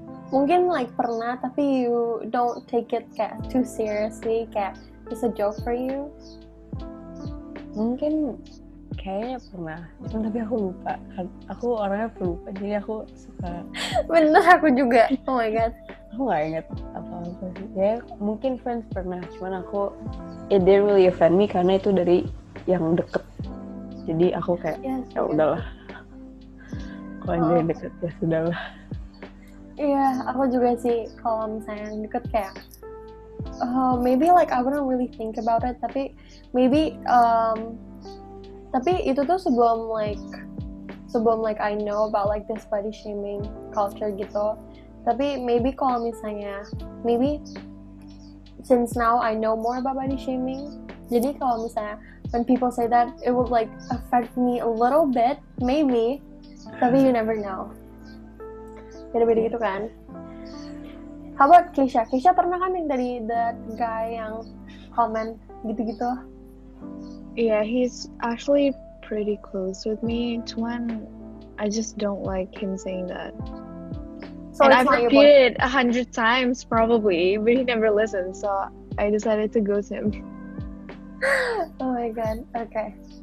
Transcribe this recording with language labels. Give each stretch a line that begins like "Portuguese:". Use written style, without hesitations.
Indonesian: Mungkin
English: like
Indonesian: pernah, tapi
English: you don't take it
Indonesian: kayak
English: too seriously, kayak it's a joke for you.
Indonesian: Mungkin kayaknya pernah, cuman tapi aku lupa. Aku orangnya pelupa, jadi aku suka. Bener, aku juga.
English: Oh my god.
Indonesian: Aku gak inget apa-apa sih. Ya mungkin friends pernah, cuman aku
English: it didn't really offend me
Indonesian: karena itu dari yang deket. Jadi aku kayak yes, ya udahlah. Kalau yang deket ya sudahlah. Iya,
English: yeah,
Indonesian: aku juga sih kalau misalnya deket kayak
English: maybe like I wouldn't really think about it,
Indonesian: tapi
English: maybe
Indonesian: tapi itu tuh sebelum
English: like I know about like this body shaming culture
Indonesian: gitu. Tapi
English: maybe
Indonesian: kalau misalnya
English: maybe since now I know more about body shaming,
Indonesian: jadi kalau misalnya
English: when people say that it would like affect me a little bit maybe,
Indonesian: tapi
English: you never know.
Indonesian: Beda-beda gitu kan.
English: How about
Indonesian: Keisha? Keisha pernah kan yang dari
English: that guy
Indonesian: yang comment gitu-gitu?
English: Yeah, he's actually pretty close with me.
Indonesian: Cuman,
English: I just don't like him saying that. So and I've repeated 100 times probably, but he never listened. So I decided to ghost him. Oh my god, okay.